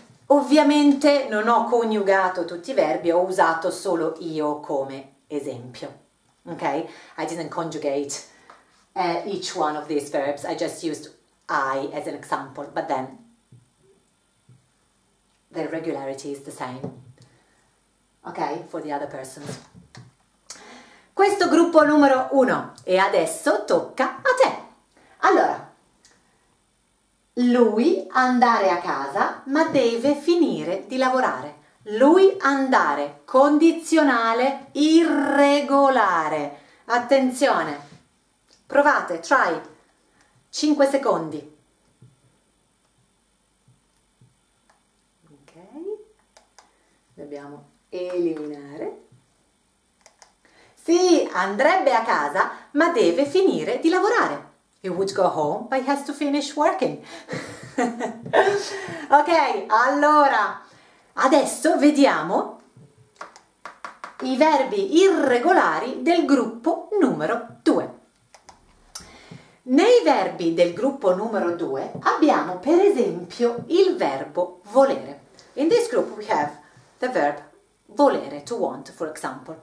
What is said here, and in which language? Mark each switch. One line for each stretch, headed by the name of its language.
Italian: Ovviamente non ho coniugato tutti i verbi, ho usato solo io come esempio. Ok?
English: I didn't conjugate each one of these verbs. I just used I as an example, but then the irregularity is the same. Ok, for the other persons.
Italian: Questo gruppo numero uno, e adesso tocca a te. Allora, lui andare a casa, ma deve finire di lavorare. Lui andare, condizionale irregolare. Attenzione, provate, try. 5 secondi. Ok, dobbiamo eliminare. Sì, andrebbe a casa, ma deve finire di lavorare.
English: He would go home, but he has to finish working.
Italian: Ok, allora, adesso vediamo i verbi irregolari del gruppo numero 2. Nei verbi del gruppo numero 2 abbiamo, per esempio, il verbo volere.
English: In this group we have the verb volere, to want, for example.